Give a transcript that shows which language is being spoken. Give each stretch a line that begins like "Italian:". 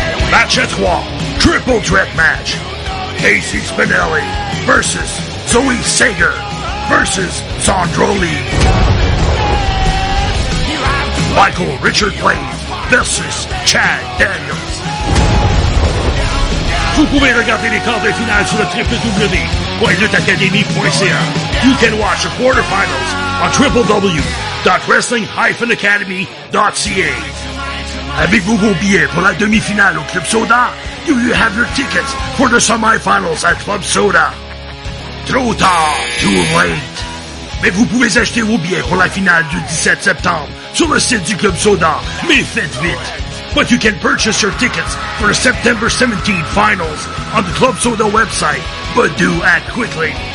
English: Match at 3, triple threat match. AC Spinelli versus Zoe Sager versus Sandro Lee. Michael Richard Blaine versus Chad Daniels.
French: Vous pouvez regarder les quarts de finale sur www.lutteacademy.ca.
English: You can watch the quarterfinals on www.wrestling-academy.ca.
French: Avez-vous vos billets pour la demi-finale au Club Soda?
English: Do you have your tickets for the semifinals at Club Soda?
French: Trop tard,
English: too late.
French: Mais vous pouvez acheter vos billets pour la finale du 17 septembre sur le site du Club Soda, mais faites vite.
English: But you can purchase your tickets for the September 17 finals on the Club Soda website, but do act quickly.